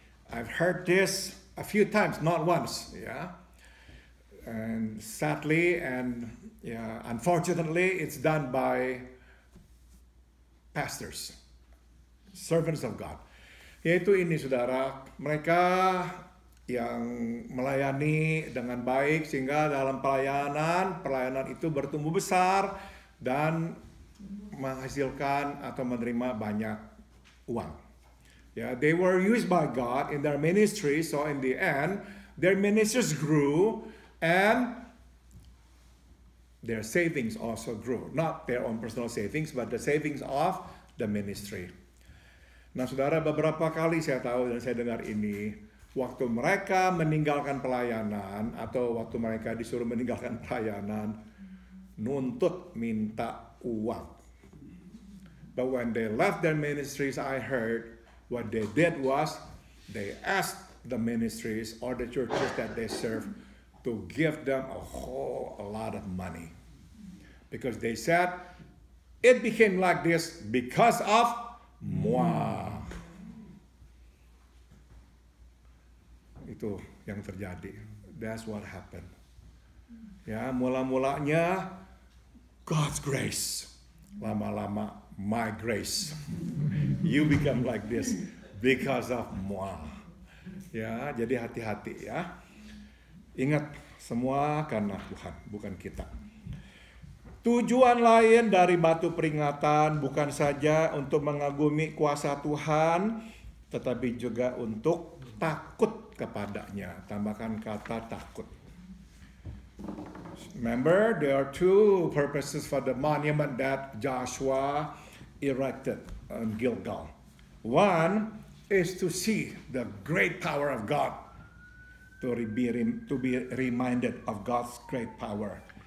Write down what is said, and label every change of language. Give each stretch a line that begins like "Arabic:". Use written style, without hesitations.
English: I've heard this a few times, not once, ya. And sadly and yeah, unfortunately, it's done by pastors, servants of God.
Indonesian: Yaitu ini, saudara, mereka yang melayani dengan baik sehingga dalam pelayanan itu bertumbuh besar dan menghasilkan atau menerima banyak uang.
English: Yeah, they were used by God in their ministry, so in the end, their ministries grew and their savings also grew. Not their own personal savings, but the savings of the ministry.
Indonesian: Nah, saudara, beberapa kali saya tahu dan saya dengar ini, waktu mereka meninggalkan pelayanan atau waktu mereka disuruh meninggalkan pelayanan, nuntut minta uang.
English: But when they left their ministries, I heard what they did was they asked the ministries or the churches that they serve to give them a lot of money. Because they said, it became like this because of moi.
Indonesian: Itu yang terjadi.
English: That's what happened.
Indonesian: Ya, mula-mulanya God's grace. Lama-lama
English: my grace. You become like this because of moi.
Indonesian: Ya, jadi hati-hati ya. Ingat, semua karena Tuhan, bukan kita. Tujuan lain dari batu peringatan bukan saja untuk mengagumi kuasa Tuhan, tetapi juga untuk takut kepadanya. Tambahkan kata takut.
English: Remember, there are two purposes for the monument that Joshua erected on Gilgal. One is to see the great power of God, to be reminded of God's great power.